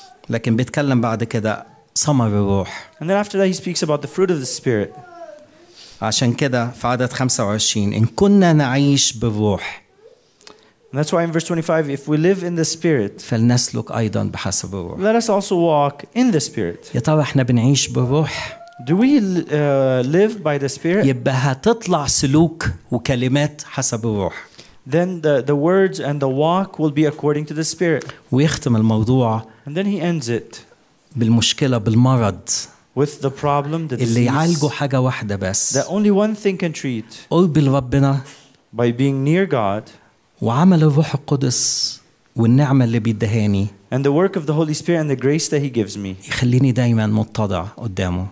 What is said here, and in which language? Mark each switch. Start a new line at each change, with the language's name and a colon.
Arabic: لكن بيتكلم بعد كده ثمر الروح.
English: And then after that he speaks about the fruit of the Spirit.
Arabic: عشان كده في عدد 25 إن كنا نعيش بالروح.
English: And that's why in verse 25, if we live in the Spirit,
Arabic: فلنسلك أيضا بحسب الروح.
English: Let us also walk in the Spirit.
Arabic: يا ترى احنا بنعيش بالروح.
English: Do we live by the Spirit?
Arabic: يبقى هتطلع سلوك وكلمات حسب الروح.
English: Then the words and the walk will be according to the Spirit.
Arabic: ويختم الموضوع.
English: And then he ends it.
Arabic: بالمشكلة بالمرض.
English: With the problem, the disease.
Arabic: اللي يعالجه حاجة واحدة بس.
English: That only one thing can treat.
Arabic: قرب لربنا.
English: By being near God.
Arabic: وعمل الروح القدس والنعمة اللي بيدهاني
English: and the work of the Holy Spirit and the grace that he gives me
Arabic: يخليني دايما متضع قدامه